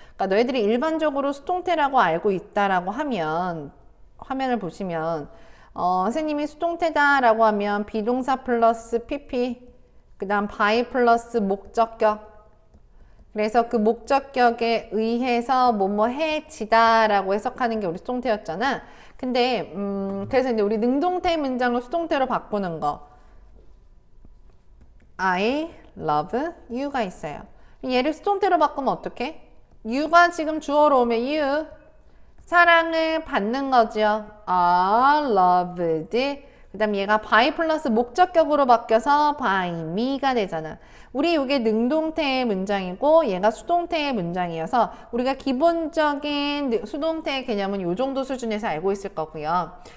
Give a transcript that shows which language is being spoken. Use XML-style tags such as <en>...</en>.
<ko>그러니까 너희들이 일반적으로 수동태라고 알고 있다라고 하면 화면을 보시면 선생님이 수동태다라고 하면 비동사 플러스 PP 그다음 by 플러스 목적격. 그래서 그 목적격에 의해서 뭐뭐 해지다라고 해석하는 게 우리 수동태였잖아. 근데 그래서 이제 우리 능동태 문장을 수동태로 바꾸는 거.</ko> <en>I love you가</en> <ko>있어요. 얘를 수동태로 바꾸면 어떡해? you가 지금 주어로 오면 you. 사랑을 받는 거죠.</ko> <en>I loved it.</en> <ko>그 다음 얘가 by 플러스 목적격으로 바뀌어서 by me가 되잖아. 우리 이게 능동태의 문장이고 얘가 수동태의 문장이어서 우리가 기본적인 수동태의 개념은 요 정도 수준에서 알고 있을 거고요.</ko>